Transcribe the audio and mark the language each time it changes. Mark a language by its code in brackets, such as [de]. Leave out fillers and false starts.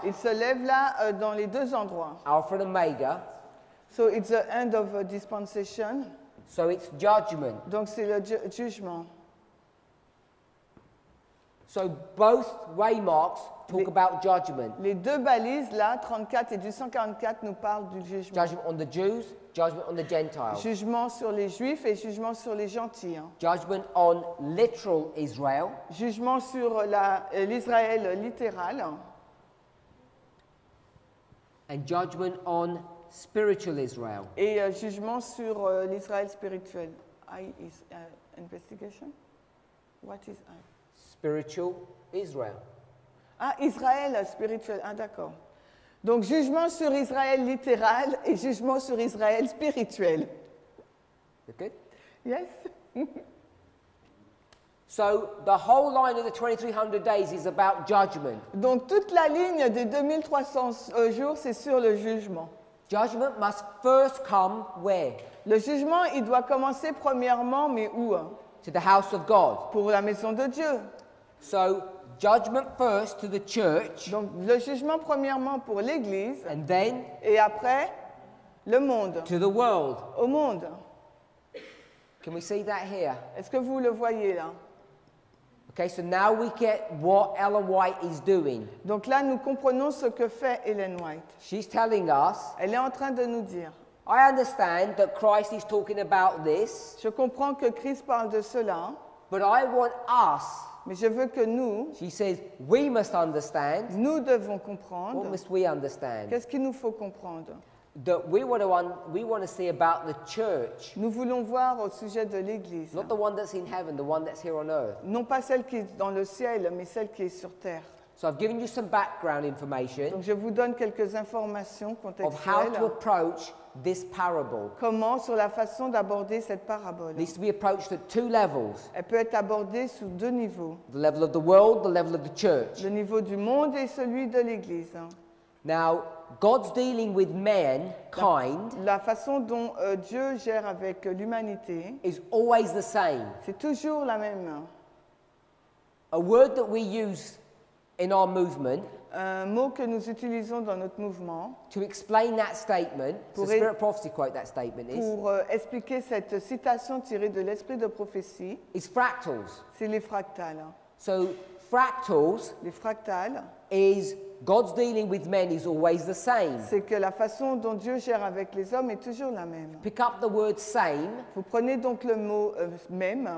[fr] Il se lève là dans les deux endroits. [en] Alpha and Omega. So it's the end of a dispensation. So it's judgment. [fr] Donc c'est le jugement. [en] So both waymarks talk about judgment. [fr] Les deux balises là, 34 et 244, nous parlent du jugement. [en] Judgment on the Jews, judgment on the Gentiles. [fr] Jugement sur les Juifs et jugement sur les gentils. Hein. [en] Judgment on literal Israel. [fr] Jugement sur l'Israël littéral. [en] And judgment on spiritual Israel. [fr] Et jugement sur l'Israël spirituel. [en] I is investigation. What is I? Spiritual Israel. [fr] Ah, Israël spirituel. Ah, d'accord. Donc, jugement sur Israël littéral et jugement sur Israël spirituel. [en] OK? Yes. So, the whole line of the 2300 days is about judgment. [fr] Donc, toute la ligne des 2300 jours, c'est sur le jugement. [en] Judgment must first come where? [fr] Le jugement, il doit commencer premièrement, mais où? [en] To the house of God. [fr] Pour la maison de Dieu. [en] So, judgment first to the church. [fr] Donc le jugement premièrement pour l'église. [en] And then. [fr] Et après, le monde. [en] To the world. [fr] Au monde. [en] Can we see that here? [fr] Est-ce que vous le voyez là? [en] Okay, so now we get what Ellen White is doing. [fr] Donc là, nous comprenons ce que fait Ellen White. [en] She's telling us. [fr] Elle est en train de nous dire. [en] I understand that Christ is talking about this. [fr] Je comprends que Christ parle de cela. [en] But I want us. [fr] Mais je veux que nous, [en] she says, we must understand. [fr] Nous devons comprendre. [en] What must we understand? [fr] Qu'est-ce qu'il nous faut comprendre? [en] that we want to see about the church. [fr] Nous voulons voir au sujet de l'église. [en] Not the one that's in heaven, the one that's here on earth. [fr] Non pas celle qui est dans le ciel, mais celle qui est sur terre. [en] So I've given you some background information. [fr] Donc je vous donne quelques informations contextuelles. [en] Of how to approach this parable. [fr] Comment sur la façon d'aborder cette parabole. [en] This we approach at two levels. [fr] Elle peut être abordée sous deux niveaux. [en] The level of the world, the level of the church. [fr] Le niveau du monde et celui de l'église. [en] Now, God's dealing with mankind. [fr] La façon dont Dieu gère avec l'humanité. [en] Is always the same. [fr] C'est toujours la même. [en] A word that we use in our movement. [fr] Un mot que nous utilisons dans notre mouvement. [en] To explain that statement, the spirit prophecy quote that statement is. [fr] Pour expliquer cette citation tirée de l'esprit de prophétie. [en] Is fractals. [fr] C'est les fractales. [en] So fractals. [fr] Les fractales. [en] Is God's dealing with men is always the same. [fr] C'est que la façon dont Dieu gère avec les hommes est toujours la même. [en] Pick up the word same. [fr] Vous prenez donc le mot même.